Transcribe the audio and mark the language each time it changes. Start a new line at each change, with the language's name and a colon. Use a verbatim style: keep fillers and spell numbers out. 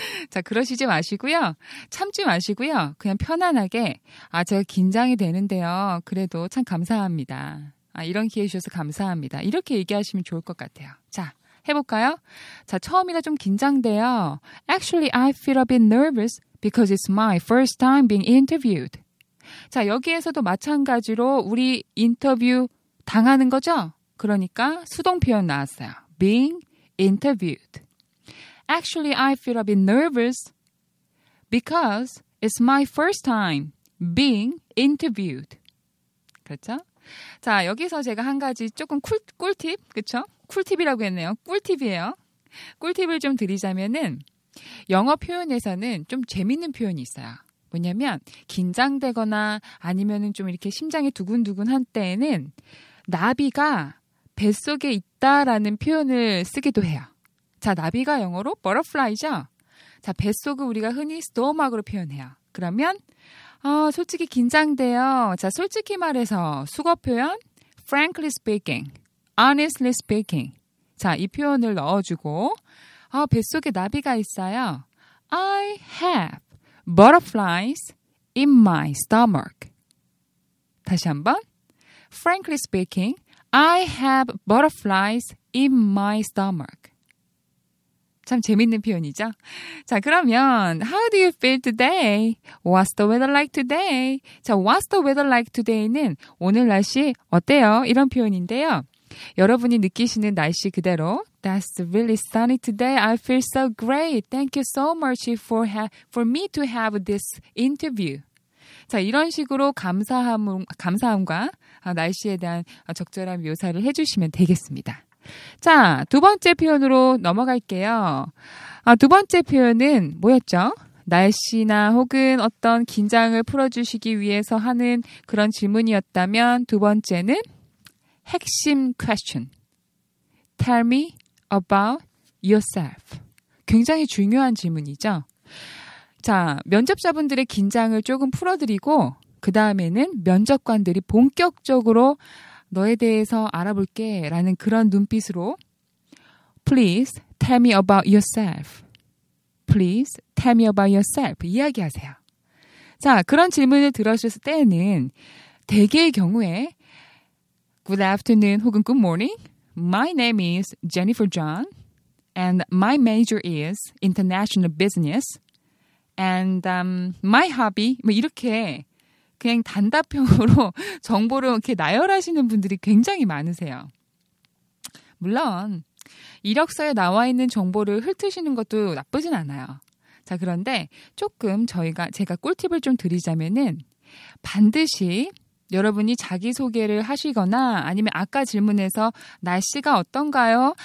Korean: 자, 그러시지 마시고요. 참지 마시고요. 그냥 편안하게 아, 제가 긴장이 되는데요. 그래도 참 감사합니다. 아, 이런 기회 주셔서 감사합니다. 이렇게 얘기하시면 좋을 것 같아요. 자, 해볼까요? 자, 처음이라 좀 긴장돼요.
English: Actually, I feel a bit nervous because it's my first time being interviewed.
Korean: 자, 여기에서도 마찬가지로 우리 인터뷰 당하는 거죠? 그러니까 수동 표현 나왔어요.
English: being interviewed. Actually, I feel a bit nervous because it's my first time being interviewed.
Korean: 그렇죠? 자, 여기서 제가 한 가지 조금 쿨, 꿀팁, 그렇죠? 쿨팁이라고 했네요. 꿀팁이에요. 꿀팁을 좀 드리자면은 영어 표현에서는 좀 재밌는 표현이 있어요. 뭐냐면 긴장되거나 아니면은 좀 이렇게 심장이 두근두근한 때에는 나비가 뱃속에 있다라는 표현을 쓰기도 해요. 자, 나비가 영어로 butterfly죠. 자, 뱃속을 우리가 흔히 stomach으로 표현해요. 그러면 어, 솔직히 긴장돼요. 자, 솔직히 말해서 수거 표현
English: frankly speaking, honestly speaking.
Korean: 자, 이 표현을 넣어주고 아, 뱃속에 나비가 있어요.
English: I have butterflies in my stomach.
Korean: 다시 한번.
English: Frankly speaking, I have butterflies in my stomach.
Korean: 참 재밌는 표현이죠. 자, 그러면
English: How do you feel today? What's the weather like today?
Korean: 자,
English: What's the weather like today
Korean: 는 오늘 날씨 어때요? 이런 표현인데요. 여러분이 느끼시는 날씨 그대로
English: That's really sunny today. I feel so great. Thank you so much for, ha- for me to have this interview.
Korean: 자, 이런 식으로 감사함, 감사함과 날씨에 대한 적절한 묘사를 해주시면 되겠습니다. 자, 두 번째 표현으로 넘어갈게요. 아, 두 번째 표현은 뭐였죠? 날씨나 혹은 어떤 긴장을 풀어주시기 위해서 하는 그런 질문이었다면 두 번째는 핵심 question.
English: Tell me about yourself.
Korean: 굉장히 중요한 질문이죠. 자, 면접자분들의 긴장을 조금 풀어드리고 그 다음에는 면접관들이 본격적으로 너에 대해서 알아볼게 라는 그런 눈빛으로
English: Please tell me about yourself. Please tell me about yourself.
Korean: 이야기하세요. 자, 그런 질문을 들으셨을 때는 대개의 경우에
English: Good afternoon
Korean: 혹은
English: Good morning. My name is Jennifer John and my major is international business. And um, my hobby,
Korean: 뭐 이렇게 그냥 단답형으로 정보를 이렇게 나열하시는 분들이 굉장히 많으세요. 물론 이력서에 나와 있는 정보를 훑으시는 것도 나쁘진 않아요. 자, 그런데 조금 저희가 제가 꿀팁을 좀 드리자면은 반드시 여러분이 자기소개를 하시거나 아니면 아까 질문에서 날씨가 어떤가요?